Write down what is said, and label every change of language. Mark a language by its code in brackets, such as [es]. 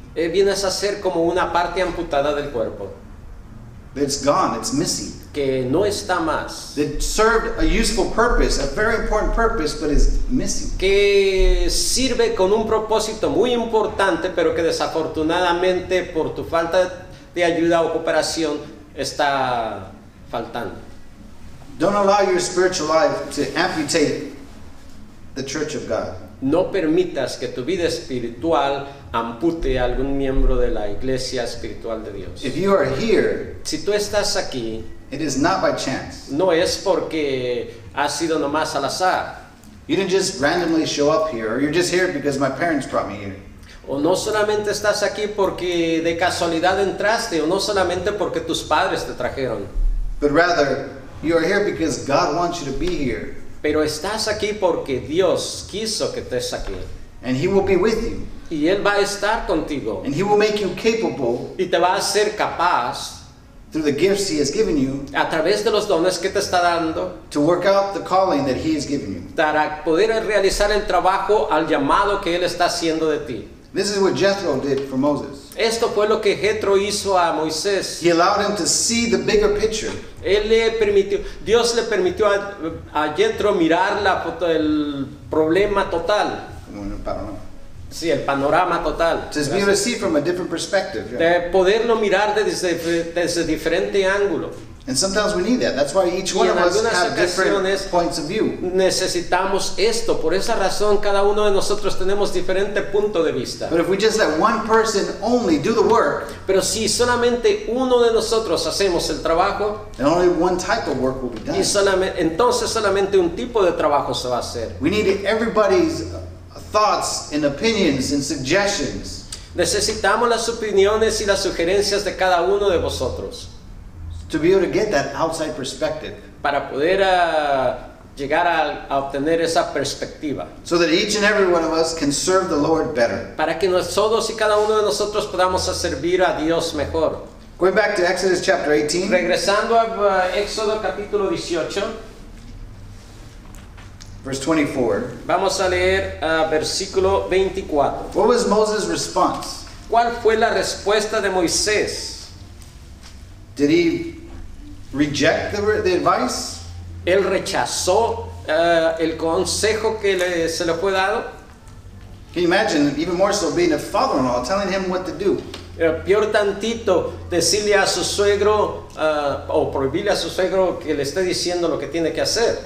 [es] Vienes a ser como una parte amputada del cuerpo. [en] It's gone, it's missing. [es] Que no está más. [en] That served a useful purpose, a very important purpose, but is missing. [es] Que sirve con un propósito muy importante, pero que desafortunadamente por tu falta de ayuda o cooperación está faltando. [en] Don't allow your spiritual life to amputate the church of God. [es] No permitas que tu vida espiritual ampute a algún miembro de la iglesia espiritual de Dios. [en] If you are here, [es] si tú estás aquí, [en] it is not by chance. [es] No es porque ha sido nomás al azar. [en] You didn't just randomly show up here, or you're just here because my parents brought me here. [es] O no solamente estás aquí porque de casualidad entraste, o no solamente porque tus padres te trajeron. [en] But rather, you are here because God wants you to be here. [es] Pero estás aquí porque Dios quiso que estés aquí. [en] And He will be with you. [es] Y Él va a estar contigo. [en] And He will make you capable. [es] Y te va a hacer capaz. [en] Through the gifts He has given you, [es] a través de los dones que te está dando, [en] to work out the calling that He has given you, [es] para poder realizar el trabajo al llamado que Él está haciendo de ti. [en] This is what Jethro did for Moses. [es] Esto fue lo que Jethro hizo a Moisés. [en] He allowed him to see the bigger picture. [es] Él le permitió, Dios le permitió a Jethro mirar la foto, el problema total. Sí, el panorama total. [en] To be able to see from a different perspective. [es] Yeah. De poderlo mirar desde diferente ángulo. [en] And sometimes we need that. That's why each one of us have different points of view. [es] Necesitamos esto. Por esa razón, cada uno de nosotros tenemos diferente punto de vista. [en] But if we just let one person only do the work, [es] pero si solamente uno de nosotros hacemos el trabajo, [en] then only one type of work will be done. [es] Y solamente un tipo de trabajo se va a hacer. [en] We need everybody's thoughts and opinions and suggestions. [es] Necesitamos las opiniones y las sugerencias de cada uno de vosotros. [en] To be able to get that outside perspective. [es] Para poder llegar a obtener esa perspectiva. [en] So that each and every one of us can serve the Lord better. [es] Para que nosotros y cada uno de nosotros podamos servir a Dios mejor. [en] Going back to Exodus chapter 18. [es] Regresando a Éxodo capítulo 18. [en] Verse 24. [es] Vamos a leer versículo 24. [en] What was Moses' response? [es] ¿Cuál fue la respuesta de Moisés? [en] Did he reject the advice? [es] ¿Él rechazó el consejo que se le fue dado? [en] Can you imagine, even more so, being a father-in-law, telling him what to do? [es] Peor tantito, decirle a su suegro, o prohibirle a su suegro que le esté diciendo lo que tiene que hacer.